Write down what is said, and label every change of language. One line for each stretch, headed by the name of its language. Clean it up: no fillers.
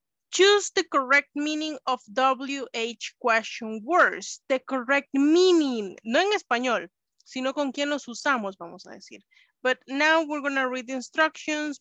English: Choose the correct meaning of WH question words. The correct meaning.
Spanish: No en español, sino con quién los usamos, vamos a decir.
English: But now we're going to read the instructions.